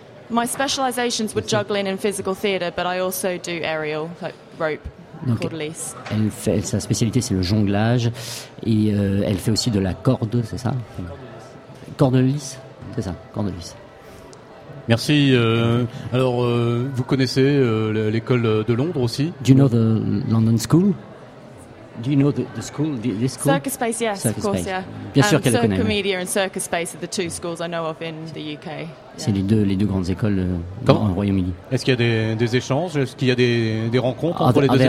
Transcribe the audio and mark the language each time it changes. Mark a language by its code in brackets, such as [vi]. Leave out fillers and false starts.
[en] My specializations were juggling and physical theater, but I also do aerial, like rope. [fr] Donc, sa spécialité, c'est le jonglage, et elle fait aussi de la corde, c'est ça? Corde lisse, c'est ça, corde lisse. Merci. Alors, vous connaissez l'école de Londres aussi? [en] Do you know the London School? Do you know the school, this school? Circus Space, yes, circus of course, space. Yeah. [fr] Bien sûr qu'elle connaît. [en] Circomedia and Circus Space are the two schools I know of in the UK. [fr] C'est les deux grandes écoles au Royaume-Uni. Est-ce qu'il y a des échanges? Est-ce qu'il y a des rencontres entre les deux écoles?